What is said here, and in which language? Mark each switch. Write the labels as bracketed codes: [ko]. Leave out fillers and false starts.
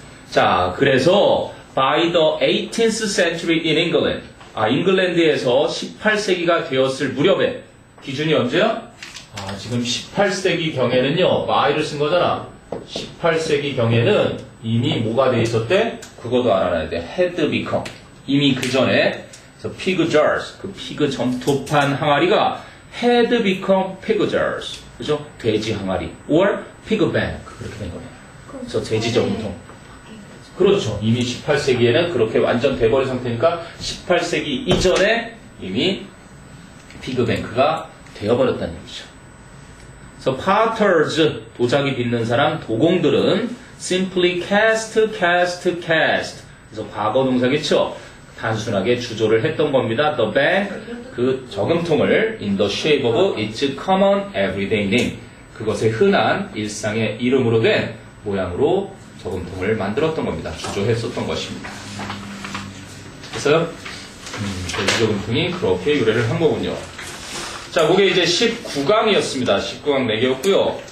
[ko] 자, 그래서, [en] by the 18th century in England. [ko] 아, 잉글랜드에서 18세기가 되었을 무렵에. 기준이 언제야? 아, 지금 18세기 경에는요, 마이를 쓴 거잖아. 18세기 경에는 이미 뭐가 돼 있었대? 그것도 알아야 돼. [en] had become. [ko] 이미 그 전에 [en] so pig jars, [ko] 그 pig 점토판 항아리가 [en] had become pig jars, [ko] 그죠? 돼지 항아리 [en] or pig bank [ko] 그렇게 된 거예요. 그래서 돼지 점토. 그렇죠. 이미 18세기에는 그렇게 완전 돼버린 상태니까 18세기 이전에 이미 pig bank가 되어버렸다는 얘기죠. [en] So potters, [ko] 도자기 빚는 사람, 도공들은 [en] simply cast, cast, cast. [ko] 그래서 과거 동사겠죠? 단순하게 주조를 했던 겁니다. [en] The bank, [ko] 그 저금통을 [en] in the shape of its common everyday name. [ko] 그것의 흔한 일상의 이름으로 된 모양으로 저금통을 만들었던 겁니다. 주조했었던 것입니다. 그래서 그 저금통이 그렇게 유래를 한 거군요. 자, 그게 이제 19강이었습니다. 19강 4개였고요.